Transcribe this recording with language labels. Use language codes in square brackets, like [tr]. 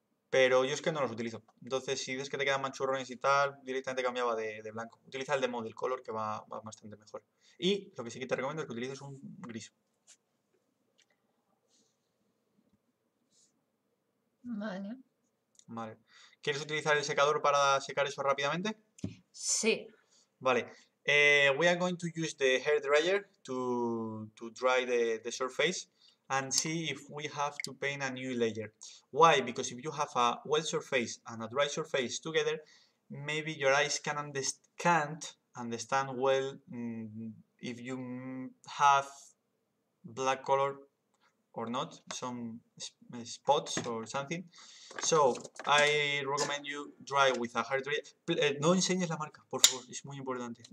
[es] Pero yo es que no los utilizo. Entonces, si dices que te quedan manchurrones y tal, directamente cambiaba de blanco. Utiliza el de Model Color, que va bastante mejor. Y lo que sí que te recomiendo es que utilices un gris. Vale. Vale. ¿Quieres utilizar el secador para secar eso rápidamente? Sí. Vale. [en] We are going to use the hair dryer to dry the surface. And see if we have to paint a new layer. Why? Because if you have a wet surface and a dry surface together, maybe your eyes can't understand well if you have black color or not, some spots or something. So I recommend you dry with a hair dryer. [es] No enseñes la marca, por favor, es muy importante.